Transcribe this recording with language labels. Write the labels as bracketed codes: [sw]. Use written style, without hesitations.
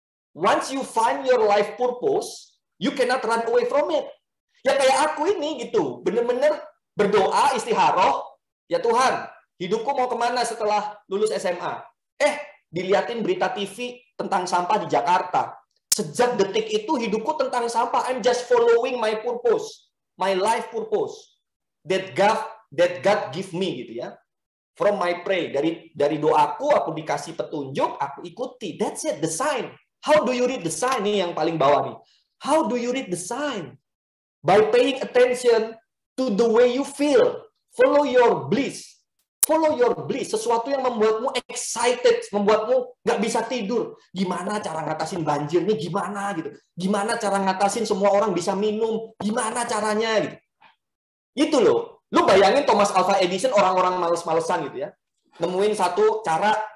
[en] Once you find your life purpose, you cannot run away from it. [id] Ya kayak aku ini gitu, benar-benar berdoa istikharah, ya Tuhan, hidupku mau kemana setelah lulus SMA? Dilihatin berita TV tentang sampah di Jakarta. Sejak detik itu hidupku tentang sampah. [en] I'm just following my purpose, my life purpose that God give me gitu ya. From my pray, [id] dari doaku aku dikasih petunjuk, aku ikuti. [en] That's it, the sign. How do you read the sign [id] nih yang paling bawah nih? [en] How do you read the sign? By paying attention to the way you feel. Follow your bliss. [id] Sesuatu yang membuatmu excited. Membuatmu gak bisa tidur. Gimana cara ngatasin banjir ini? Gimana gitu. Gimana cara ngatasin semua orang bisa minum? Gimana caranya gitu. Itu loh. Lu bayangin Thomas Alva Edison orang-orang males-malesan gitu ya. Nemuin satu cara